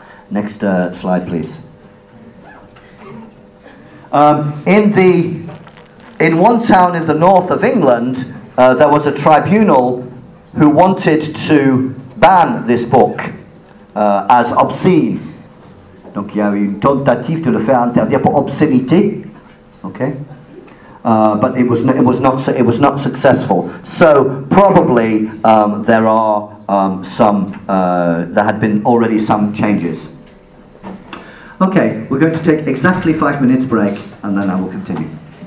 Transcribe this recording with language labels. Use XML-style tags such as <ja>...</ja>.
<en>Next slide, please. In one town in the north of England, there was a tribunal who wanted to ban this book as obscene.</en> <fr>Donc il y a eu une tentative de le faire interdire pour obscénité.</fr> <en>Okay. But it was not successful. So probably there are some there had been already some changes. Okay, we're going to take exactly 5 minutes break, and then I will continue.</en>